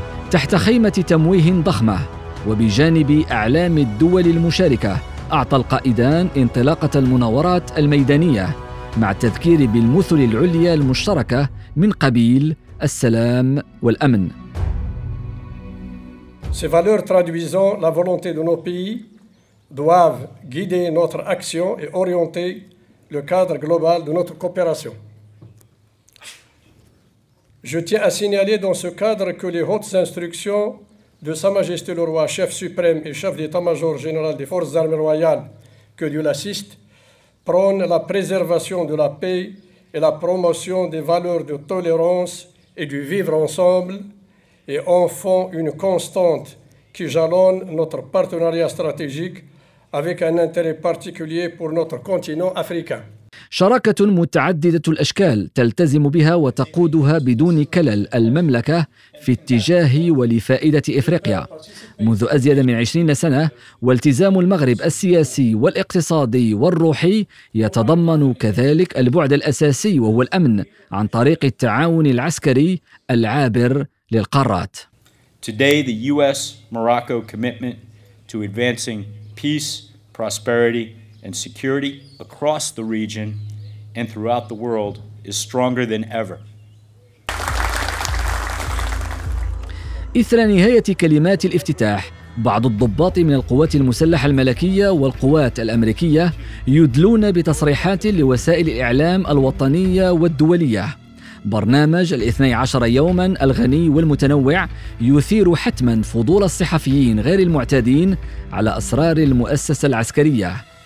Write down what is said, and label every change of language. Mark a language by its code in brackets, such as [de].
[ar] تحت خيمة تمويه ضخمة وبجانب أعلام الدول المشاركة، أعطى القائدان انطلاقة المناورات الميدانية مع التذكير بالمثل العليا المشتركة من قبيل السلام والأمن. [fr] Ces valeurs traduisant la volonté de nos pays doivent guider notre action et orienter le cadre global de notre coopération. Je tiens à signaler dans ce cadre que les hautes instructions de Sa Majesté le Roi, chef suprême et chef d'état-major général des forces armées royales, que Dieu l'assiste, prône la préservation de la paix et la promotion des valeurs de tolérance et du vivre ensemble, et en font une constante qui jalonne notre partenariat stratégique avec un intérêt particulier pour notre continent africain. [ar] شراكة متعددة الأشكال تلتزم بها وتقودها بدون كلل المملكة في اتجاه ولفائدة إفريقيا منذ أزيد من 20 سنة، والتزام المغرب السياسي والاقتصادي والروحي يتضمن كذلك البعد الأساسي وهو الأمن عن طريق التعاون العسكري العابر للقارات. [en] Today the US-Morocco commitment to advancing peace, prosperity and security across the region and throughout the world is stronger than ever. [ar] إثر نهاية كلمات الافتتاح، بعض الضباط من القوات المسلحة الملكية والقوات الأمريكية يدلون بتصريحات لوسائل الإعلام الوطنية والدولية، برنامج الاثني عشر يوما الغني والمتنوع يثير حتما فضول الصحفيين غير المعتادين على أسرار المؤسسة العسكرية.